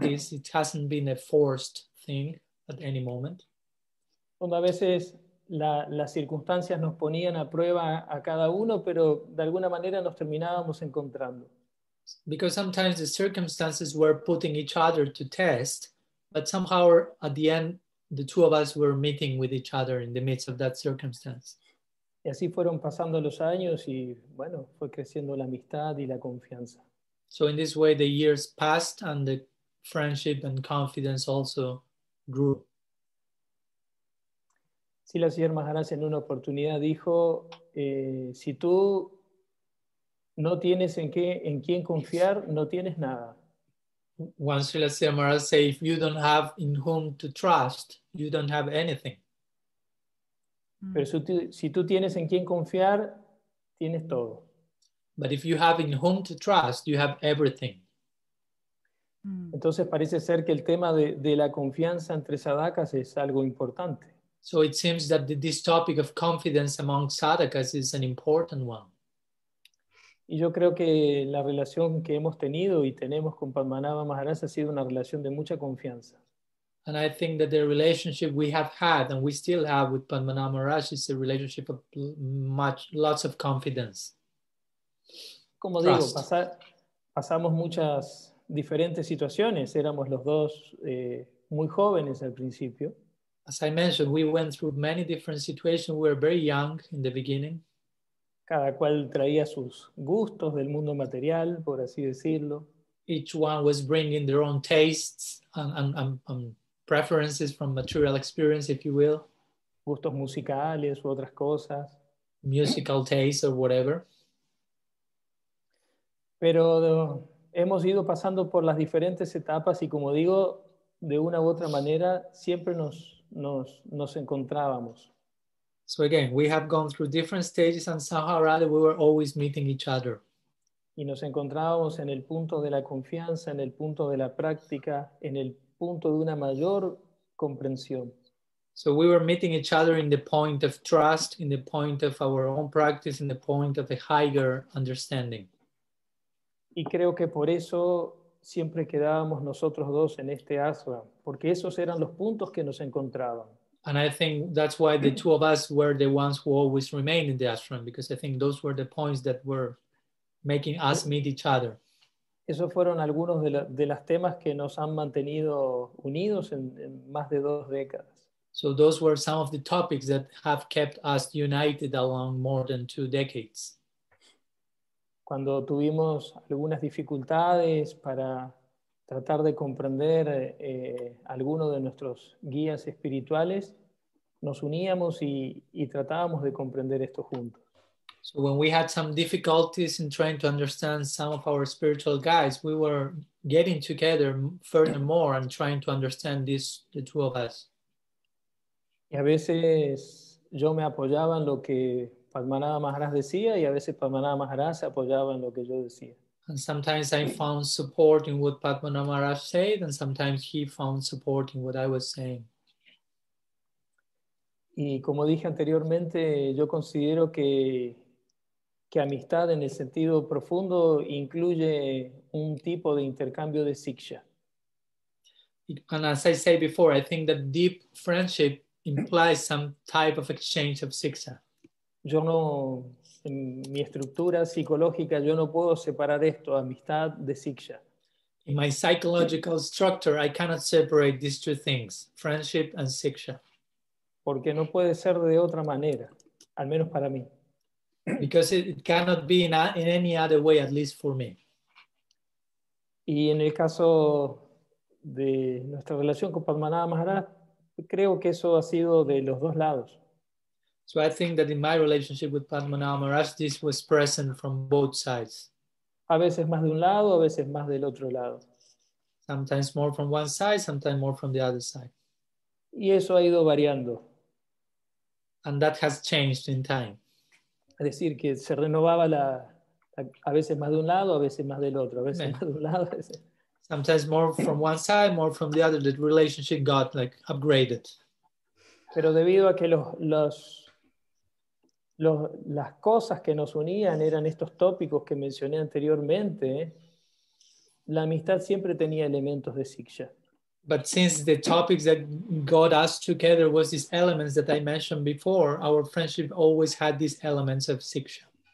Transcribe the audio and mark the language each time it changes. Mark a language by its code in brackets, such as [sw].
[en] It hasn't been a forced thing at any moment. [es] Donde a veces las circunstancias nos ponían a prueba a cada uno, pero de alguna manera nos terminábamos encontrando. [en] Because sometimes the circumstances were putting each other to test, but somehow at the end, the two of us were meeting with each other in the midst of that circumstance. [es] Y así fueron pasando los años y bueno, fue creciendo la amistad y la confianza. [en] So in this way the years passed and the friendship and confidence also grew. [es] Srila Sridhar Maharaj en una oportunidad dijo, si tú no tienes en quién confiar, no tienes nada. [en] Once Srila Sridhar Maharaj say, if you don't have in whom to trust, you don't have anything. [es] Pero si tú tienes en quién confiar, tienes todo. [en] But if you have in whom to trust, you have everything. [es] Entonces parece ser que el tema de la confianza entre sadhakas es algo importante. [en] So it seems that this topic of confidence among sadhakas is an important one. [es] Y yo creo que la relación que hemos tenido y tenemos con Padmanabha Maharaj ha sido una relación de mucha confianza. [en] And I think that the relationship we have had and we still have with Padmanabha Maharaj is a relationship of lots of confidence. [es] Como trust. Digo, pasamos muchas diferentes situaciones. Éramos los dos muy jóvenes al principio. [en] As I mentioned, we went through many different situations. We were very young in the beginning. [es] Cada cual traía sus gustos del mundo material, por así decirlo. [en] Each one was bringing their own tastes and preferences from material experience, if you will. [es] Gustos musicales u otras cosas. [en] Musical tastes or whatever. [es] Pero hemos ido pasando por las diferentes etapas y como digo, de una u otra manera, siempre nos encontrábamos. [en] So again, we have gone through different stages and somehow or other we were always meeting each other. [es] Y nos encontrábamos en el punto de la confianza, en el punto de la práctica, en el punto de una mayor comprensión. [en] So we were meeting each other in the point of trust, in the point of our own practice, in the point of a higher understanding. [es] Y creo que por eso siempre quedábamos nosotros dos en este ashram, porque esos eran los puntos que nos encontraban. [en] And I think that's why the two of us were the ones who always remained in the ashram, because I think those were the points that were making us meet each other. [es] Esos fueron algunos de las temas que nos han mantenido unidos en más de dos décadas. [en] So those were some of the topics that have kept us united along more than two decades. [es] Cuando tuvimos algunas dificultades para tratar de comprender alguno de nuestros guías espirituales, nos uníamos y tratábamos de comprender esto juntos. [en] So when we had some difficulties in trying to understand some of our spiritual guides, we were getting together furthermore and trying to understand this, the two of us. [es] Y a veces yo me apoyaba en lo que Padmanabha Maharaj decía, y a veces Padmanabha Maharaj se apoyaba en lo que yo decía. [en] And sometimes I found support in what Padmanabha Maharaj said, and sometimes he found support in what I was saying. [es] Y como dije anteriormente, yo considero que amistad en el sentido profundo incluye un tipo de intercambio de siksha. [en] And as I said before, I think that deep friendship implies some type of exchange of siksha. [es] Yo no, en mi estructura psicológica, yo no puedo separar esto, amistad de siksha. [en] In my psychological structure, I cannot separate these two things, friendship and siksha. [es] Porque no puede ser de otra manera, al menos para mí. [en] Because it cannot be in any other way, at least for me. [es] Y en el caso de nuestra relación con Padmanabha Maharaj, creo que eso ha sido de los dos lados. [en] So I think that in my relationship with Padmanabha Maharaj, this was present from both sides. [es] A veces más de un lado, a veces más del otro lado. [en] Sometimes more from one side, sometimes more from the other side. [es] Y eso ha ido variando. [en] And that has changed in time. [es] Es decir, que se renovaba a veces más de un lado, a veces más del otro, a veces más de un lado, a veces. [en] Sometimes more from one side, more from the other. The relationship got like upgraded. [es] Pero debido a que las cosas que nos unían eran estos tópicos que mencioné anteriormente, la amistad siempre tenía elementos de siksha. [en] But since the topics that got us together was these elements that I mentioned before, our friendship always had these elements of siksha.